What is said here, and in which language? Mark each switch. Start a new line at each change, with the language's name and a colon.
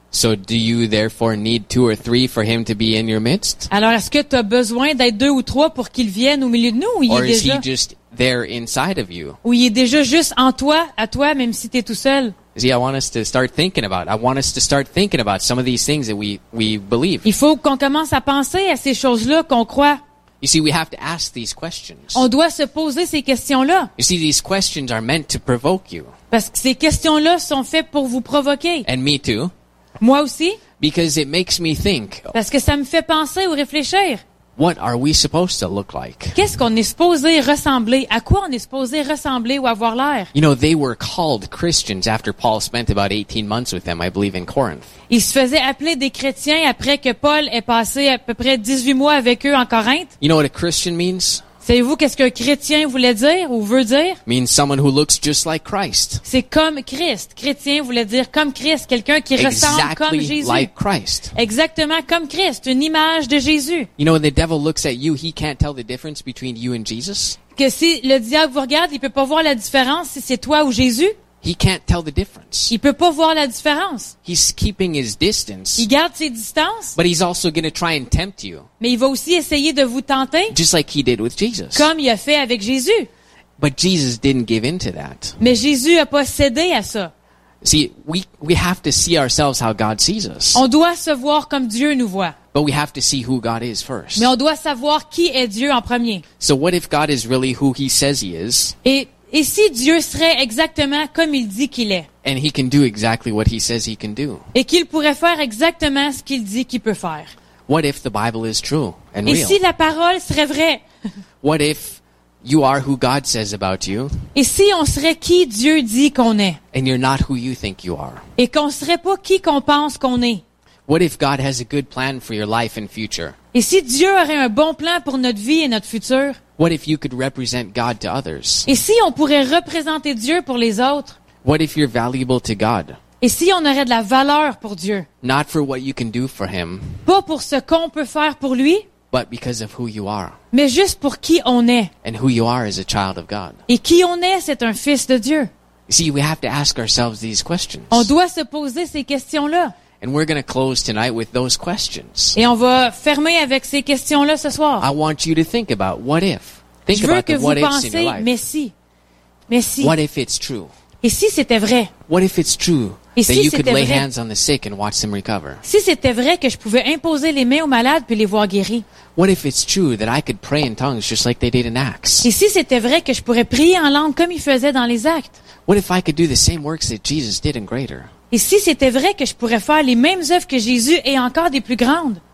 English: So do you therefore need two or three for him to be in your midst?
French: Alors est-ce que tu as besoin d'être deux ou trois pour qu'il vienne au milieu de nous ou il
English: or
French: est déjà?
English: Is he just there inside of you?
French: Ou il est déjà juste en toi, à toi, même si tu es tout seul?
English: See, I want us to start thinking about some of these things that we believe.
French: Il faut qu'on commence à penser à ces choses-là qu'on croit.
English: You see, we have to ask these questions.
French: On doit se poser ces questions-là.
English: You see, these questions are meant to provoke you.
French: Parce que ces questions-là sont faites pour vous provoquer.
English: And me too.
French: Moi aussi.
English: Because it makes me think.
French: Parce que ça me fait penser ou réfléchir.
English: What are we supposed to look like?
French: Qu'est-ce qu'on est supposé ressembler? À quoi on est supposé ressembler ou avoir l'air?
English: You know, they were called Christians after Paul spent about 18 months with them, I believe, in Corinth.
French: Ils se faisaient appeler des chrétiens après que Paul ait passé à peu près 18 mois avec eux en Corinthe.
English: You know what a Christian means?
French: Savez-vous qu'est-ce qu'un chrétien voulait dire ou veut dire?
English: Means someone who looks just like Christ.
French: C'est comme Christ. Chrétien voulait dire comme Christ, quelqu'un qui ressemble comme Jésus.
English: Like Christ.
French: Exactement comme Christ, une image de Jésus.
English: You know, when the devil looks at you, he can't tell the difference between you and Jesus.
French: Que si le diable vous regarde, il peut pas voir la différence si c'est toi ou Jésus.
English: He can't tell the difference.
French: Il peut pas voir la différence.
English: He's keeping his distance.
French: Il garde ses distances.
English: But he's also going to try and tempt you.
French: Mais il va aussi essayer de vous tenter.
English: Just like he did with Jesus.
French: Comme il a fait avec Jésus.
English: But Jesus didn't give in to that.
French: Mais Jésus a pas cédé à ça.
English: See, we have to see ourselves how God sees us.
French: On doit se voir comme Dieu nous voit.
English: But we have to see who God is first.
French: Mais on doit savoir qui est Dieu en premier.
English: So what if God is really who he says he is?
French: Et si Dieu serait exactement comme il dit qu'il est?
English: And he can do exactly what he says he can do.
French: Et qu'il pourrait faire exactement ce qu'il dit qu'il peut faire?
English: What if the Bible is true and
French: et
English: real?
French: Si la parole serait vraie?
English: What if you are who God says about you?
French: Et si on serait qui Dieu dit qu'on est?
English: And you're not who you think you are.
French: Et qu'on serait pas qui qu'on pense qu'on est?
English: What if God has a good plan for your life and future?
French: Et si Dieu aurait un bon plan pour notre vie et notre futur?
English: What if you could represent God to others?
French: Et si on pourrait représenter Dieu pour les autres?
English: What if you're valuable to God?
French: Et si on aurait de la valeur pour Dieu?
English: Not for what you can do for him.
French: Pas pour ce qu'on peut faire pour lui.
English: But because of who you are.
French: Mais juste pour qui on est.
English: And who you are is a child of God.
French: Et qui on est, c'est un fils de Dieu.
English: See, we have to ask ourselves these questions.
French: On doit se poser ces questions-là.
English: And we're going to close tonight with those questions.
French: Et on va fermer avec ces questions-là ce soir.
English: I want you to think about what if. Think about the what ifs in your life.
French: Mais si.
English: What if it's true?
French: Et si c'était vrai?
English: What if it's true
French: et
English: that
French: si
English: you could lay Hands on the sick and watch them recover?
French: Si c'était vrai que je pouvais imposer les mains aux malades puis les voir guéris?
English: What if it's true that I could pray in tongues just like they did in Acts?
French: Et si c'était vrai que je pourrais prier en langue comme ils faisaient dans les Actes?
English: What if I could do the same works that Jesus did and greater?
French: Et si c'était vrai que je pourrais faire les mêmes œuvres que Jésus et encore des plus grandes?